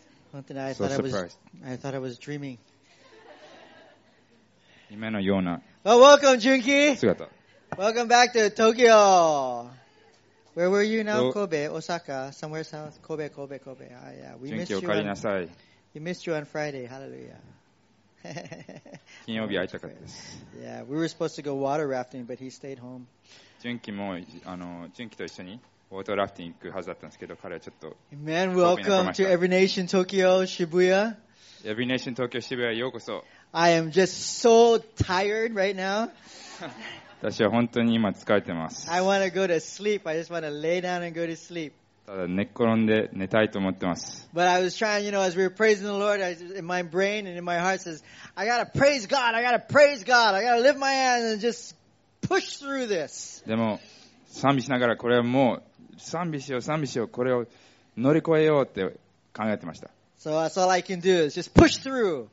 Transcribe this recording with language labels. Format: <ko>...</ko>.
<ja>本当に、</ja> <en>I thought I was dreaming.</en> <ja>夢のような。</ja> <en>Well, welcome, Junki!</en> <ja>姿。</ja> <en>Welcome back to Tokyo! Where were you now? Kobe, Osaka, somewhere south. Kobe. Ah, yeah. We missed you.</en> <ja>Junki, お帰りなさい。</ja> <en>We missed you on Friday. Hallelujah.</en> <ja>金曜日会いたかったです。</ja> <en>Yeah, we were supposed to go water rafting, but he stayed home.</en> <ja>Junki も、Junki と一緒に。ウォートラフティング行くはずだったんですけど、彼はちょっと。</ja> <en>Man, welcome to Every Nation Tokyo Shibuya.</en> <ja>Every Nation Tokyo Shibuya, ようこそ。</ja> <en>I am just so tired right now.</en> <ja>私は本当に今疲れてます。</ja> <en>I want to go to sleep. I just want to lay down and go to sleep.</en> <ja>ただ寝っ転んで寝たいと思ってます。</ja> <en>But I was trying, you know, as we were praising the Lord, in my brain and in my heart says, I gotta praise God. I gotta lift my hands and just push through this.</en> <ja>でも、賛美しながらこれはもう賛美しようこれを乗り越えようって考えてました。</ja> <en>So that's all I can do is just push through.</en>